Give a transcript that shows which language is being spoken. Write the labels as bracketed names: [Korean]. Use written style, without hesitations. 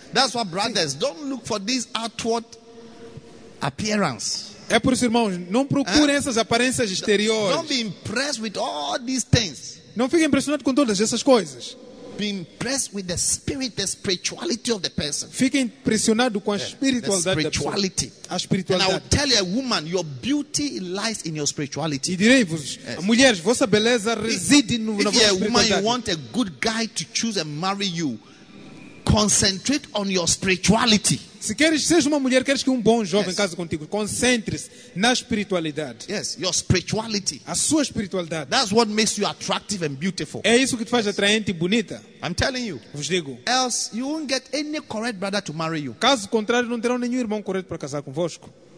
[English] That's why brothers don't look for this outward appearance. [Portuguese] É por isso, irmãos, não procurem essas aparências exteriores. [English] Don't be impressed with all these things. [Portuguese] Não fique impressionado com todas essas coisas. [English] Be impressed with the spirit, the spirituality of the person. [Portuguese] Fique impressionado com a espiritualidade. [English] The spirituality. [Portuguese] A espiritualidade. [English] And I will tell you, a woman, your beauty lies in your spirituality. [Portuguese] E direi-vos, yes. Mulheres, vossa beleza reside na vossa espiritualidade. [English] If a woman, you want a good guy to choose and marry you, concentrate on your spirituality. [Portuguese] Se queres ser uma mulher, queres que bom jovem case contigo, concentre-se na espiritualidade. [English] Yes, your spirituality. [Portuguese] A sua espiritualidade. [English] That's what makes you attractive and beautiful. [Portuguese] É isso que te faz atraente e bonita. [English] I'm telling you. [Portuguese] Vos digo. [English] Else you won't get any correct brother to marry you. [Portuguese] Caso contrário, não terão nenhum irmão correto para casar convosco.